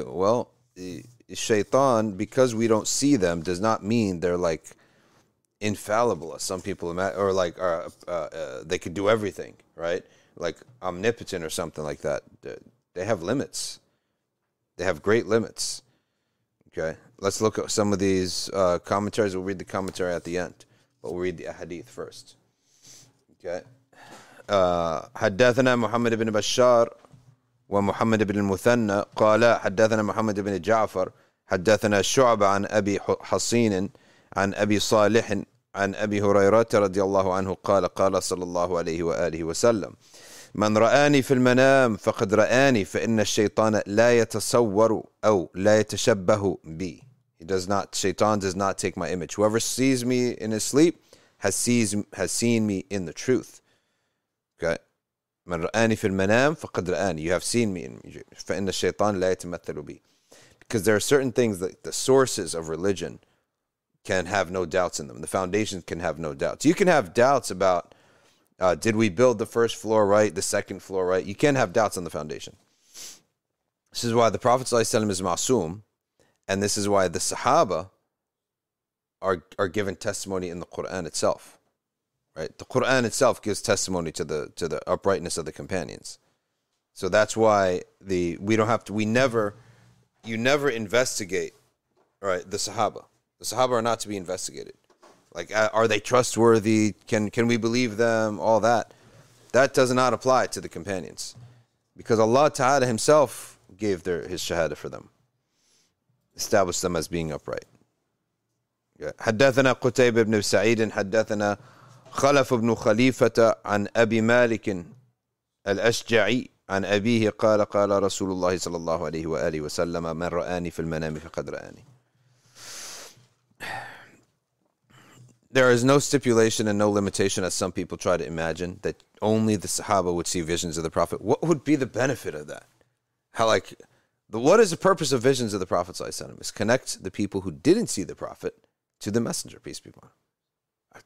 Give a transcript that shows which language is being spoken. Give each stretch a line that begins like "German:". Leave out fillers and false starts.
English: Well, shaitan, because we don't see them, does not mean they're like infallible, as some people imagine, or like they could do everything, right? Like omnipotent or something like that. They have limits. They have great limits. Okay? Let's look at some of these commentaries. We'll read the commentary at the end, but we'll read the hadith first. Okay?
Arabic: حدثنا محمد بن بشار ومحمد بن المثنى قال حدثنا محمد بن جعفر حدثنا شعب عن أبي حصين عن أبي صالح عن أبي هريرة رضي الله عنه قال قال صلى الله عليه وآله وسلم من رآني في المنام فقد رآني فإن الشيطان لا يتصور أو لا يتشبه بي.
English: He does not, shaitan does not take my image. Whoever sees me in his sleep has seen me in the truth. Okay. You have seen me. Because there are certain things that the sources of religion can have no doubts in them. The foundations can have no doubts. You can have doubts about, did we build the first floor right, the second floor right? You can't have doubts on the foundation. This is why the Prophet ﷺ is ma'soom, and this is why the Sahaba are given testimony in the Quran itself. Right. The Quran itself gives testimony to the uprightness of the companions. So that's why you never investigate, right, the Sahaba. The Sahaba are not to be investigated. Like, are they trustworthy? Can we believe them? All that. That does not apply to the companions. Because Allah Ta'ala himself gave his shahada for them. Established them as being upright.
Arabic: حدثنا قتيبة بن سعيد حدثنا خلف بن خليفة عن أبي مالك الأشجعي عن أبيه قال قال رسول الله صلى الله عليه وآله وسلم من رآني في المنام فقد رآني.
English: There is no stipulation and no limitation, as some people try to imagine, that only the Sahaba would see visions of the Prophet. What would be the benefit of that? How, like, what is the purpose of visions of the Prophet sallallahu alaihi wasallam? Is connect the people who didn't see the Prophet to the Messenger, peace be upon him.